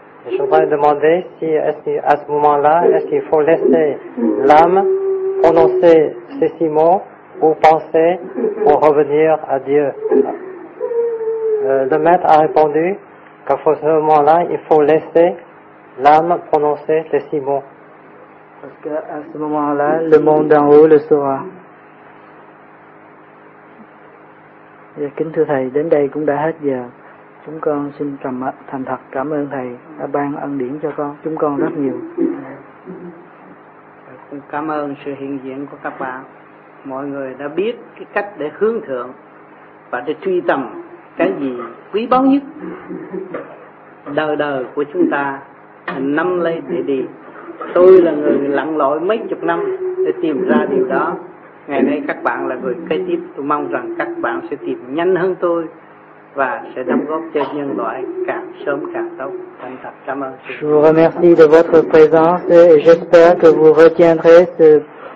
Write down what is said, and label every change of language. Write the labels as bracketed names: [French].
[French] Je voudrais demander si à ce moment-là, est-ce qu'il faut laisser l'âme prononcer ces six mots ou penser pour revenir à Dieu. Le maître a répondu qu'à ce moment-là, il faut laisser l'âme prononcer les six mots. Parce qu'à ce moment-là, le monde d'en haut le saura. [Vietnamese] Dạ, kính thưa Thầy, đến đây cũng đã hết giờ. Chúng con xin thành thật cảm ơn Thầy đã ban ân điển cho con. Chúng con rất nhiều. Cảm ơn sự hiện diện của các bạn. Mọi người đã biết cái cách để hướng thượng và để truy tầm cái gì quý báu nhất. Đời đời của chúng ta năm lấy để đi. Tôi là người lặn lội mấy chục năm để tìm ra điều đó. Ngày nay các bạn là người kế tiếp, tôi mong rằng các bạn sẽ tìm nhanh hơn tôi và sẽ đóng góp cho nhân loại càng sớm càng tốt. Thành thật cảm ơn. [French] Je vous remercie de votre présence et j'espère que vous retiendrez ce